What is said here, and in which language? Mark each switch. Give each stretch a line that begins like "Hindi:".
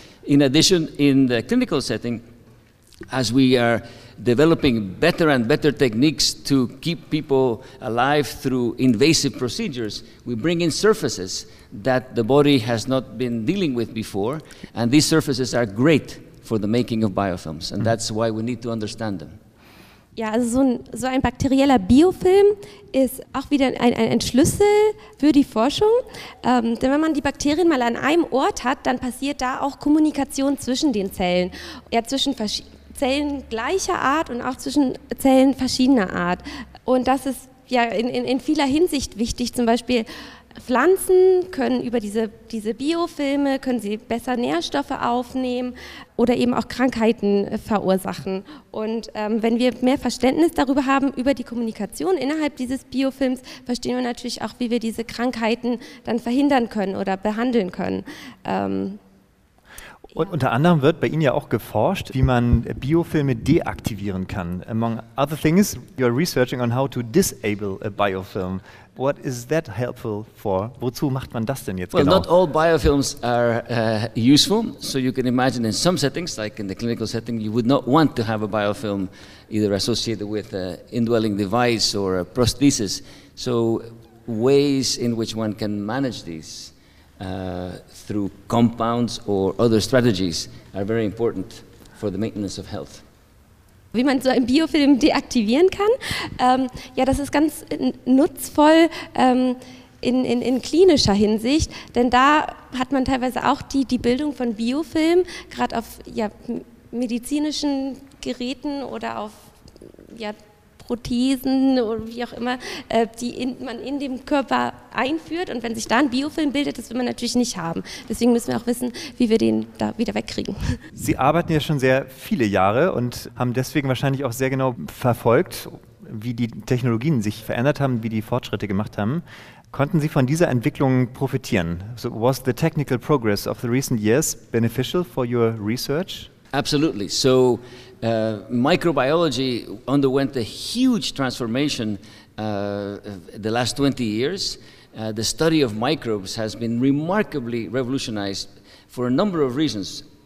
English: In addition, in the clinical setting, as we are developing better and better techniques to keep people alive through invasive procedures, we bring in surfaces that the body has not been dealing with before, and these surfaces are great for the making of biofilms, and that's why we need to understand them.
German: Ja, also so ein bakterieller Biofilm ist auch wieder ein Schlüssel für die Forschung. Denn wenn man die Bakterien mal an einem Ort hat, dann passiert da auch Kommunikation zwischen den Zellen, ja, zwischen Zellen gleicher Art und auch zwischen Zellen verschiedener Art. Und das ist ja in vieler Hinsicht wichtig. Zum Beispiel Pflanzen können über diese Biofilme, können sie besser Nährstoffe aufnehmen oder eben auch Krankheiten verursachen. Und wenn wir mehr Verständnis darüber haben, über die Kommunikation innerhalb dieses Biofilms, verstehen wir natürlich auch, wie wir diese Krankheiten dann verhindern können oder behandeln können. Und unter anderem wird bei Ihnen ja auch geforscht, wie man Biofilme deaktivieren kann.
English: Among other things, you are researching on how to disable a biofilm. What is that helpful for?
German: Wozu macht man das denn jetzt
English: well,
German: genau?
English: Well, not all biofilms are useful. So you can imagine in some settings, like in the clinical setting, you would not want to have a biofilm either associated with an indwelling device or a prosthesis. So ways in which one can manage these through compounds or other strategies are very important for the maintenance of health.
German: Wie man so einen Biofilm deaktivieren kann, ja, das ist ganz nutzvoll in klinischer Hinsicht, denn da hat man teilweise auch die Bildung von Biofilm, gerade auf ja, medizinischen Geräten oder auf ja, Prothesen oder wie auch immer, man in dem Körper einführt, und wenn sich da ein Biofilm bildet, das will man natürlich nicht haben. Deswegen müssen wir auch wissen, wie wir den da wieder wegkriegen. Sie arbeiten ja schon sehr viele Jahre und haben deswegen wahrscheinlich auch sehr genau verfolgt, wie die Technologien sich verändert haben, wie die Fortschritte gemacht haben. Konnten Sie von dieser Entwicklung profitieren?
English: So was the technical progress of the recent years beneficial for your research? Absolutely. So microbiology underwent a huge transformation the last 20 years. The study of microbes has been remarkably revolutionized for a number of reasons.